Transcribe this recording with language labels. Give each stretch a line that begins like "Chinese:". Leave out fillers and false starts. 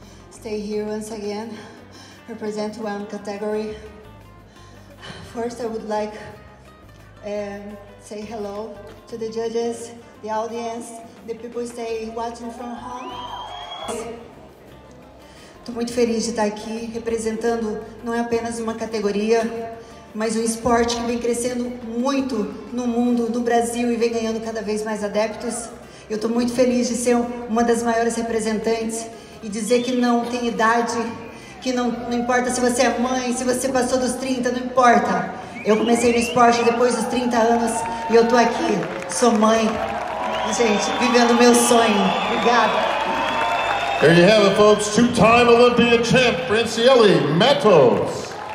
English: Stay here once again, represent one category. First, I would like say hello to the judges, the audience, the people who stay watching from home.
Portuguese: Tô muito feliz de estar aqui representando não é apenas uma categoria, mas um esporte que vem crescendo muito no mundo, no Brasil, e vem ganhando cada vez mais adeptos. Eu estou muito feliz de ser uma das maiores representantes e dizer que não tem idade, que não importa se você é mãe, se você passou dos 30, não importa. Eu comecei no esporte depois dos 30 anos e eu estou aqui, sou mãe, gente, vivendo meu sonho. Obrigada.
English: There you have it, folks. Two-time Olympia champ, Francielle Mattos.